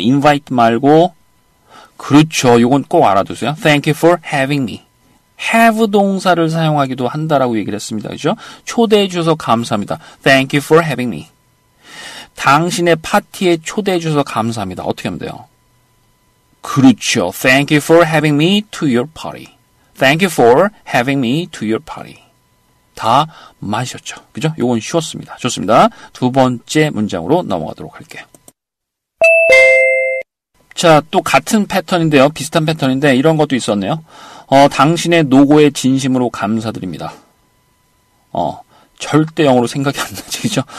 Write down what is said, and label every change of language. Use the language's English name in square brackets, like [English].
[Korean] Invite 말고. 그렇죠. 이건 꼭 알아두세요. [English] Thank you for having me. [Korean] have 동사를 사용하기도 한다라고 얘기를 했습니다. 그죠? 초대해 주셔서 감사합니다. [English] Thank you for having me. [Korean] 당신의 파티에 초대해 주셔서 감사합니다. 어떻게 하면 돼요? 그렇죠. [English] Thank you for having me to your party. Thank you for having me to your party. [Korean] 다 맞으셨죠? 그죠? 요건 쉬웠습니다. 좋습니다. 두 번째 문장으로 넘어가도록 할게요. 자, 또 같은 패턴인데요. 비슷한 패턴인데 이런 것도 있었네요. 당신의 노고에 진심으로 감사드립니다. 절대 영어로 생각이 안 나죠, 그죠?